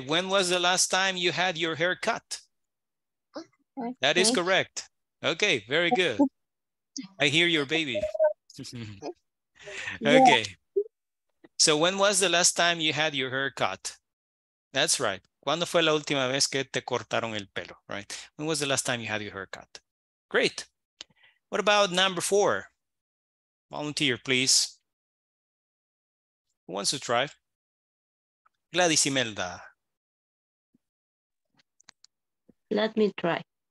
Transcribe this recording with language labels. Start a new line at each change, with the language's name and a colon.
English: When was the last time you had your hair cut? That is correct. Okay. Very good. I hear your baby. Okay. Yeah. So when was the last time you had your hair cut? That's right.
Spanish: ¿Cuándo fue la última vez que te cortaron el pelo?
English: Right. When was the last time you had your hair cut? Great. What about number four? Volunteer, please. Who wants to try? Gladys Imelda. Let me try.